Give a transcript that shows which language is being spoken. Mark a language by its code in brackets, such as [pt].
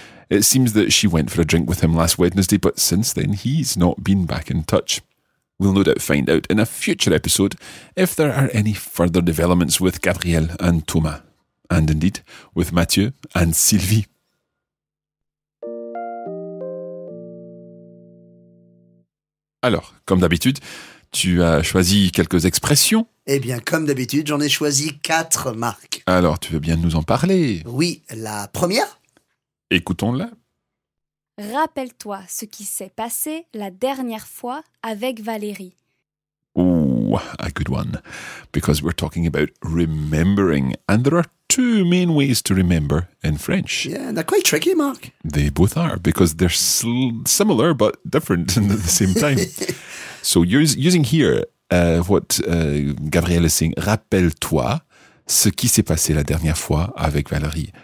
[en] It seems that she went for a drink with him last Wednesday, but since then he's not been back in touch. We'll no doubt find out in a future episode if there are any further developments with Gabrielle and Thomas, and indeed with Mathieu and Sylvie. [fr] Alors, comme d'habitude, tu as choisi quelques expressions. Eh bien, comme d'habitude, j'en ai choisi quatre, Marc. Alors, tu veux bien nous en parler? Oui, la première. Écoutons-la. Rappelle-toi ce qui s'est passé la dernière fois avec Valérie. [en] Oh, a good one. Because we're talking about remembering. And there are two main ways to remember in French. Yeah, they're quite tricky, Mark. They both are, because they're similar but different at the same time. So using here what Gabrielle is saying, [fr] rappelle-toi ce qui s'est passé la dernière fois avec Valérie.